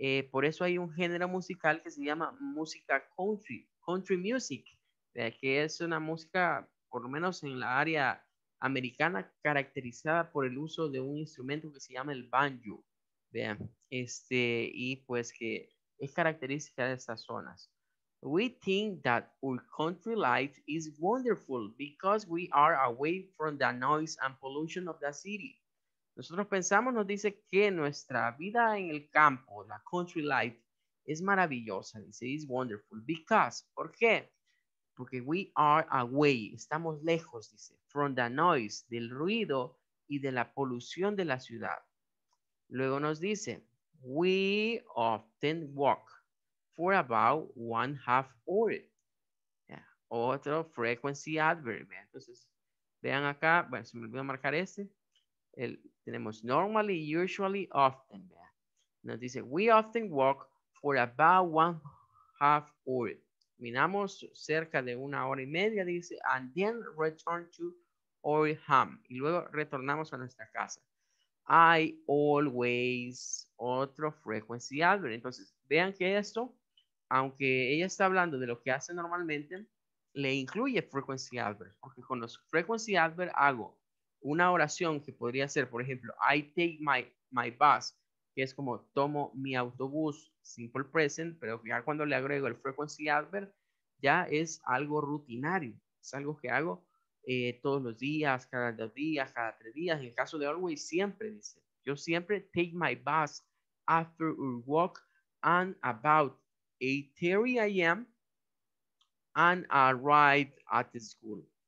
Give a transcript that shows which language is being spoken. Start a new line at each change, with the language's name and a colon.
Spanish: Por eso hay un género musical que se llama música country,
English: country music, yeah,
Spanish: que es una música, por lo menos en la área americana, caracterizada por el uso de un instrumento que se llama el banjo.
English: Yeah.
Spanish: Y pues que es característica de estas zonas.
English: We think that our country life is wonderful because we are away from the noise and pollution of the city.
Spanish: Nosotros pensamos, nos dice que nuestra vida en el campo, la
English: country life,
Spanish: es maravillosa. Dice,
English: it's wonderful. Because,
Spanish: ¿por qué? Porque
English: we are away,
Spanish: estamos lejos, dice,
English: from the noise,
Spanish: del ruido y de la polución de la ciudad. Luego nos dice,
English: we often walk for about 1/2 hour. Yeah.
Spanish: Otro
English: frequency adverb.
Spanish: Entonces, vean acá, bueno, se me olvidó marcar este. Tenemos
English: normally, usually, often. Yeah.
Spanish: Nos dice,
English: we often walk for about 1/2 hour.
Spanish: Caminamos cerca de 1 hora y media, dice,
English: and then return to our home.
Spanish: Y luego retornamos a nuestra casa.
English: I always,
Spanish: otro frequency adverb. Entonces, vean que esto, aunque ella está hablando de lo que hace normalmente, le incluye frequency adverb. Porque con los frequency adverb hago una oración que podría ser, por ejemplo,
English: I take my bus,
Spanish: que es como tomo mi autobús, simple present, pero ya cuando le agrego el frequency adverb, ya es algo rutinario, es algo que hago todos los días, cada 2 días, cada 3 días, en el caso de always, siempre, dice, yo siempre
English: take my bus after a walk and about 8:30 a.m. and arrive at the school.